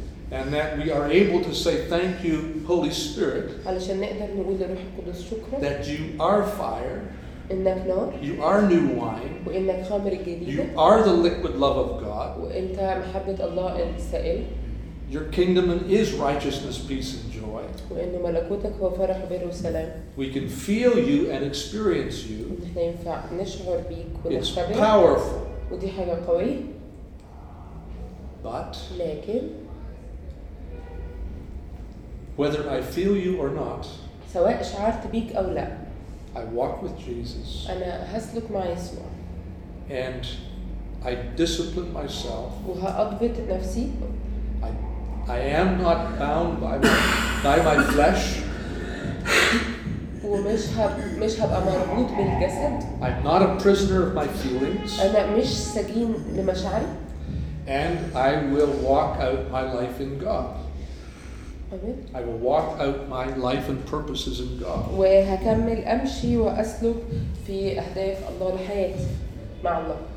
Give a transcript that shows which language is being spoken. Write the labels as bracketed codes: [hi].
[en] And that we are able to say thank you, Holy Spirit, [ar] علشان نقدر نقول للروح القدس شكرا, [en] that you are fire, [ar] إنك نار. [en] You are new wine. [ar] وإنك خمر جديد. [en] You are the liquid love of God. [ar] وإنت محبة الله السائل. [en] Your kingdom is righteousness, peace, and joy. [ar] وإن ملكوتك هو فرح بر وسلام. [en] We can feel you and experience you. [ar] نحن ينفع نشعر بيك ونشعر. [en] It's powerful. [ar] ودي حاجة قوية. [en] But. [ar] لكن. [en] Whether I feel you or not. [ar] سواء شعرت بيك أو لا. [en] I walk with Jesus. [ar] أنا هسلك مع يسوع. [en] And I discipline myself. [ar] وهأضبط نفسي. [en] I am not bound by my flesh. [ar] ومش هبقى مربوط بالجسد. [en] I'm not a prisoner of my feelings. [ar] أنا مش سجين لمشاعري. [en] And I will walk out my life in God. I will walk out my life and purposes in God. [ar] وهكمل أمشي وأسلك في أهداف الله الحياة مع الله.